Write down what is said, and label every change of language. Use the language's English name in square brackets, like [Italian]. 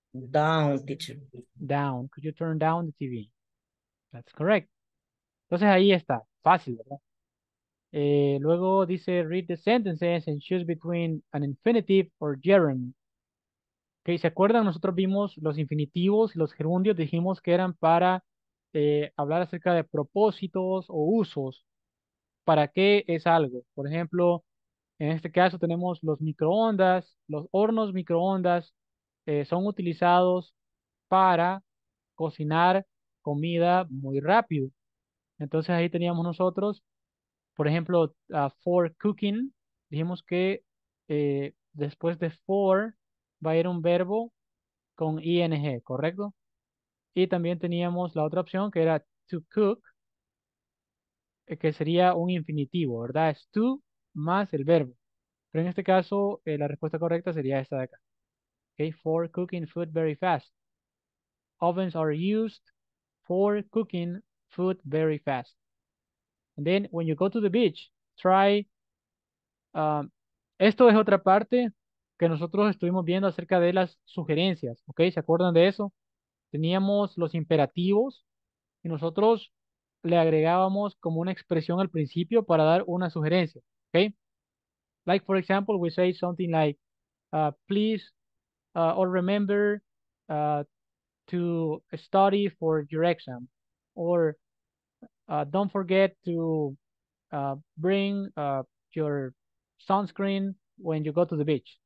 [English] Down, teacher. Down. Could you turn down the TV? That's correct. [Spanish] Entonces ahí está. Fácil, ¿verdad? Luego dice, [English] read the sentences and choose between an infinitive or gerund. [Spanish] Okay, ¿se acuerdan? Nosotros vimos los infinitivos y los gerundios. Dijimos que eran para hablar acerca de propósitos o usos. ¿Para qué es algo? Por ejemplo, en este caso tenemos los microondas, los hornos microondas son utilizados para cocinar comida muy rápido. Entonces ahí teníamos nosotros, por ejemplo, [English] for cooking, [Spanish] dijimos que después de for va a ir un verbo con ing, ¿correcto? Y también teníamos la otra opción que era [English] to cook, [Spanish] que sería un infinitivo, ¿verdad? Es to más el verbo. Pero en este caso, la respuesta correcta sería esta de acá. [English] Okay, for cooking food very fast. Ovens are used for cooking food very fast. And then, when you go to the beach, try... [Spanish] esto es otra parte que nosotros estuvimos viendo acerca de las sugerencias. Okay, ¿se acuerdan de eso? Teníamos los imperativos y nosotros le agregábamos como una expresión al principio para dar una sugerencia, ¿ok? [English] Like, for example, we say something like, please or remember to study for your exam, or don't forget to bring your sunscreen when you go to the beach.